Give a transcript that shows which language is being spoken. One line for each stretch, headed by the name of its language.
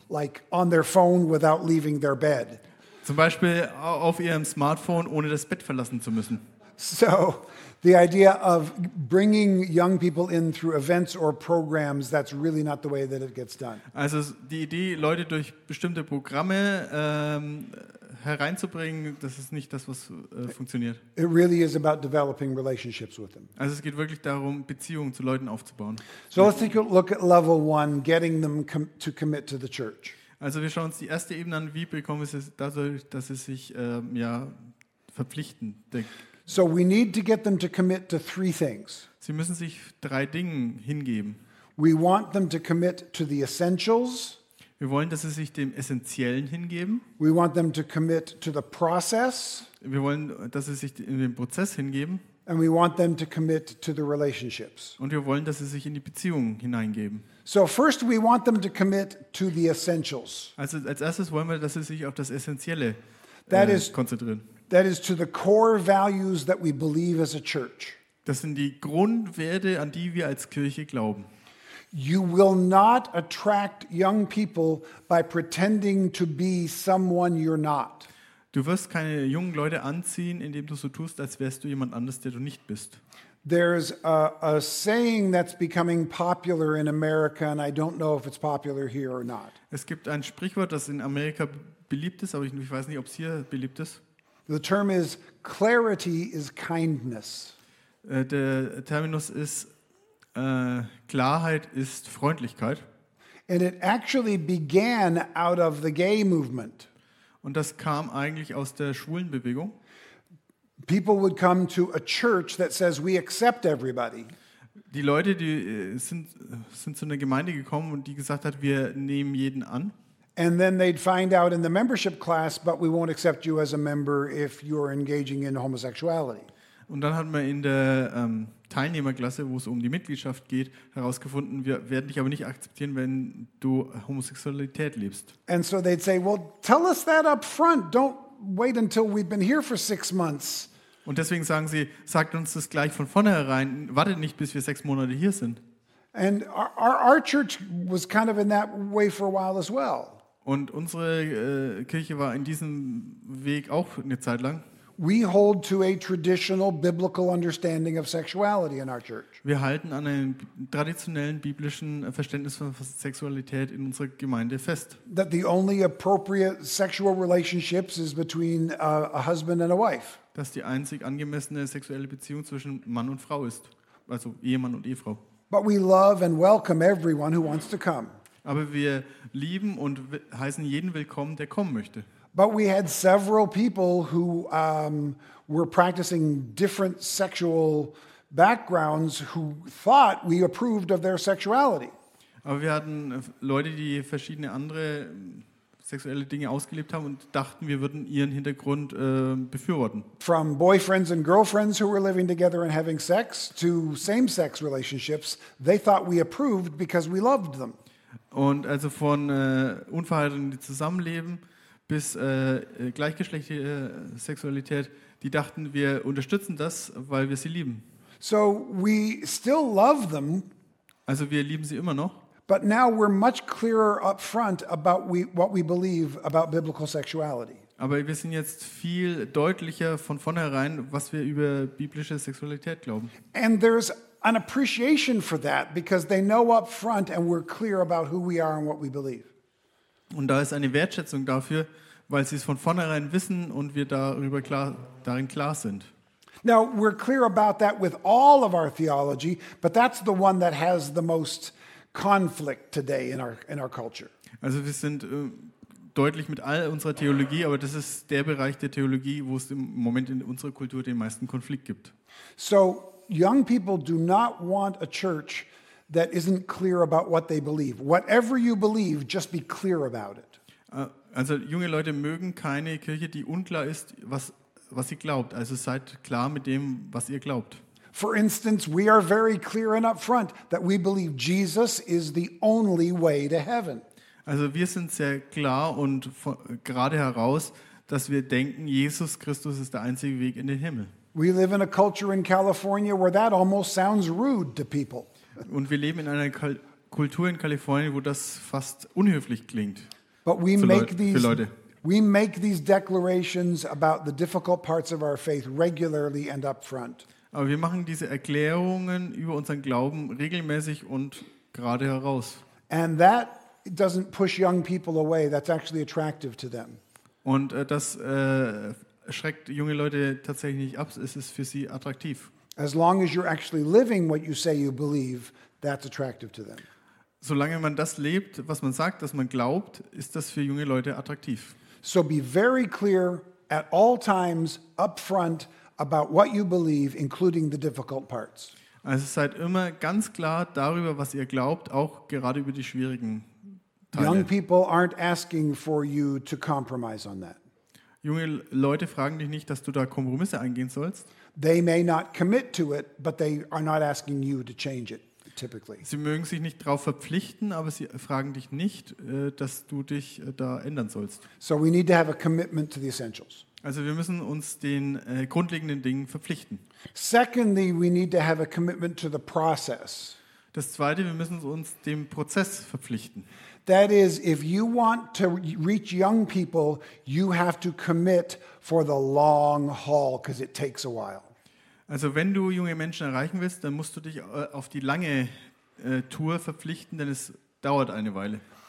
English: Like on their phone without leaving their bed.
German: Zum Beispiel auf ihrem Smartphone, ohne das Bett verlassen zu müssen.
English: So the idea of bringing young people in through events or programs, that's really not the way that it gets done.
German: Also die Idee, Leute durch bestimmte Programme hereinzubringen, das ist nicht das, was funktioniert.
English: It really is about developing relationships with them.
German: Also es geht wirklich darum, Beziehungen zu Leuten aufzubauen.
English: So let's take a look at level one, getting them to commit to the church.
German: Also wir schauen uns die erste Ebene an, wie bekommen sie es dadurch, dass sie sich verpflichten.
English: So we need to get them to commit to three things.
German: Sie müssen sich drei Dingen hingeben.
English: We want them to commit to the essentials.
German: Wir wollen, dass sie sich dem Essentiellen hingeben.
English: We want them to commit to the process.
German: Wir wollen, dass sie sich in den Prozess hingeben.
English: And we want them to commit to the relationships.
German: Und wir wollen, dass sie sich in die Beziehungen hineingeben.
English: So first we want them to commit to the essentials.
German: Also als erstes wollen wir, dass sie sich auf das Essentielle konzentrieren.
English: That is to the core values that we believe as a church.
German: Das sind die Grundwerte, an die wir als Kirche glauben.
English: You will not attract young people by pretending to be someone you're not.
German: Du wirst keine jungen Leute anziehen, indem du so tust, als wärst du jemand anders, der du nicht bist.
English: There's a saying that's becoming popular in America, and I don't know if it's popular here or not.
German: Es gibt ein Sprichwort, das in Amerika beliebt ist, aber ich weiß nicht, ob es hier beliebt ist.
English: The term is clarity is kindness.
German: Der Terminus ist Klarheit ist Freundlichkeit.
English: And it actually began out of the gay movement.
German: Und das kam eigentlich aus der schwulen Bewegung.
English: People would come to a church that says we accept everybody.
German: Die Leute, die sind zu einer Gemeinde gekommen und die gesagt hat, wir nehmen jeden an.
English: And then they'd find out in the membership class, but we won't accept you as a member if you're engaging in homosexuality.
German: Und dann hat man in der Teilnehmerklasse, wo es um die Mitgliedschaft geht, herausgefunden, wir werden dich aber nicht akzeptieren, wenn du Homosexualität lebst.
English: And so they'd say, well, tell us that up front. Don't wait until we've been here for 6 months.
German: Und deswegen sagen sie, sagt uns das gleich von vornherein, wartet nicht, bis wir 6 Monate hier sind.
English: And our church was kind of in that way for a while as well.
German: Und unsere Kirche war in diesem Weg auch eine Zeit lang.
English: We hold to a traditional biblical understanding of sexuality in our church.
German: Wir halten an einem traditionellen biblischen Verständnis von Sexualität in unserer Gemeinde fest.
English: That the only appropriate sexual relationships is between a husband and a wife.
German: Dass die einzig angemessene sexuelle Beziehung zwischen Mann und Frau ist, also Ehemann und Ehefrau.
English: But we love and welcome everyone who wants to come.
German: Aber wir lieben und heißen jeden willkommen, der kommen möchte.
English: But we had several people who were practicing different sexual backgrounds who thought we approved of their sexuality.
German: Aber wir hatten Leute, die verschiedene andere sexuelle Dinge ausgelebt haben und dachten, wir würden ihren Hintergrund befürworten.
English: From boyfriends and girlfriends who were living together and having sex to same-sex relationships, they thought we approved because we loved them.
German: Und also von Unverheirateten, die zusammenleben, bis gleichgeschlechtliche Sexualität, die dachten, wir unterstützen das, weil wir sie lieben.
English: So we still love them.
German: Also wir lieben sie immer noch.
English: But now we're much clearer up front about what we believe about biblical sexuality.
German: Aber wir sind jetzt viel deutlicher von vornherein, was wir über biblische Sexualität glauben.
English: And there's an appreciation for that because they know up front and we're clear about who we are and what we believe.
German: Und da ist eine Wertschätzung dafür, weil sie es von vornherein wissen und wir darüber darin klar sind.
English: Now we're clear about that with all of our theology, but that's the one that has the most conflict today in our culture.
German: Also wir sind deutlich mit all unserer Theologie, aber das ist der Bereich der Theologie, wo es im Moment in unserer Kultur den meisten Konflikt gibt.
English: So young people do not want a church that isn't clear about what they believe. Whatever you believe, just be clear about it.
German: Also junge Leute mögen keine Kirche, die unklar ist, was sie glaubt. Also seid klar mit dem, was ihr glaubt.
English: For instance, we are very clear and upfront that we believe Jesus is the only way to heaven.
German: Also wir sind sehr klar und gerade heraus, dass wir denken, Jesus Christus ist der einzige Weg in den Himmel.
English: We live in a culture in California where that almost sounds rude to people.
German: Und wir leben in einer Kultur in Kalifornien, wo das fast unhöflich klingt.
English: But we make these declarations about the difficult parts of our faith regularly and upfront.
German: Aber wir machen diese Erklärungen über unseren Glauben regelmäßig und gerade heraus.
English: And that doesn't push young people away. That's actually attractive to them.
German: Und das schreckt junge Leute tatsächlich nicht ab. Es ist für sie attraktiv.
English: As long as you're actually living what you say you believe, that's attractive to them.
German: Solange man das lebt, was man sagt, dass man glaubt, ist das für junge Leute attraktiv.
English: So be very clear at all times upfront about what you believe, including the difficult parts.
German: Also seid immer ganz klar darüber, was ihr glaubt, auch gerade über die schwierigen Teile.
English: Young people aren't asking for you to compromise on that.
German: Junge Leute fragen dich nicht, dass du da Kompromisse eingehen sollst.
English: They may not commit to it, but they are not asking you to change it, typically.
German: Sie mögen sich nicht darauf verpflichten, aber sie fragen dich nicht, dass du dich da ändern sollst.
English: So we need to have a commitment to the essentials.
German: Also wir müssen uns den grundlegenden Dingen verpflichten.
English: Secondly, we need to have a commitment to the process.
German: Das Zweite, wir müssen uns dem Prozess verpflichten.
English: That is, if you want to reach young people, you have to commit for the long haul, because it takes a while.
German: Also wenn du junge Menschen erreichen willst, dann musst du dich auf die lange Tour verpflichten, denn es dauert eine Weile.